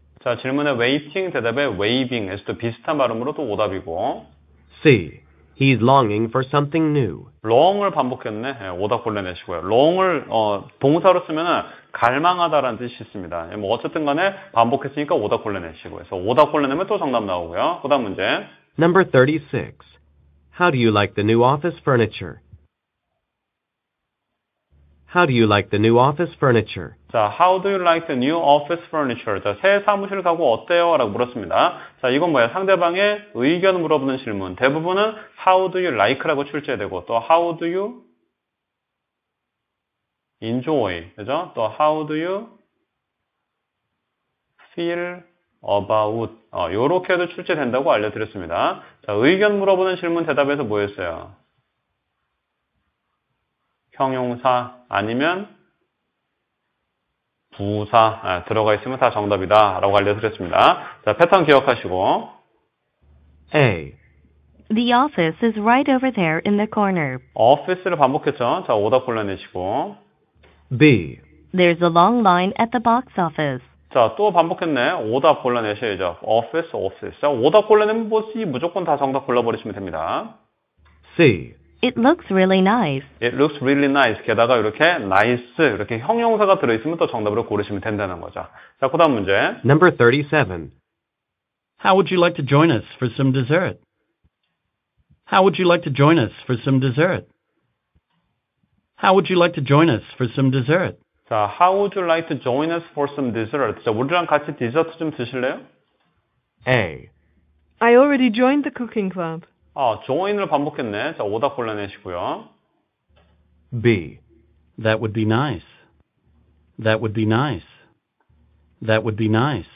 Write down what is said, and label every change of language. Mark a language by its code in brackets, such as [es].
[ko] 자, 질문의 waiting 대답에 waving 해서 비슷한 발음으로도 오답이고. [en] C. He's longing for something new. [ko] long을 반복했네. 네, 오답 골라내시고요. long을 동사로 쓰면은 갈망하다라는 뜻이 있습니다. 네, 뭐 어쨌든 간에 반복했으니까 오답 골라내시고요. 그래서 오답 골라내면 또 정답 나오고요. 그다음 문제. [en] Number 36. How do you like the new office furniture? How do you like the new office furniture? 자, how do you like the new office furniture? [ko] 자, 새 사무실 가구 어때요? 라고 물었습니다. 자, 이건 뭐야? 상대방의 의견 물어보는 질문. 대부분은 [en] how do you like [ko] 라고 출제되고 또 [en] how do you enjoy? [ko] 그죠? [en] 또 how do you feel about? [ko] 요렇게도 출제된다고 알려드렸습니다. 자, 의견 물어보는 질문 대답에서 뭐였어요? 형용사 아니면 부사 들어가 있으면 다 정답이다 라고 알려드렸습니다. 자, 패턴 기억하시고. [en] A. The office is right over there in the corner. [ko] office를 반복했죠. 자, 오답 골라내시고. [en] B. There's a long line at the box office. [ko] 자, 또 반복했네. 오답 골라내셔야죠. office, office. 자, 오답 골라내면 뭐지? 무조건 다 정답 골라버리시면 됩니다. [en] C. It looks really nice. It looks really nice. [ko] 게다가 이렇게 nice 이렇게 형용사가 들어있으면 또 정답으로 고르시면 된다는 거죠. 자, 그다음 문제. [en] Number 37. How would you like to join us for some dessert? How would you like to join us for some dessert? How would you like to join us for some dessert? 자, how would you like to join us for some dessert? [ko] 자, 우리랑 같이 디저트 좀 드실래요? [en] A. I already joined the cooking club. [ko] 아, join을 반복했네. 자, 오답 골라내시고요. [en] B. That would be nice. That would be nice. That would be nice.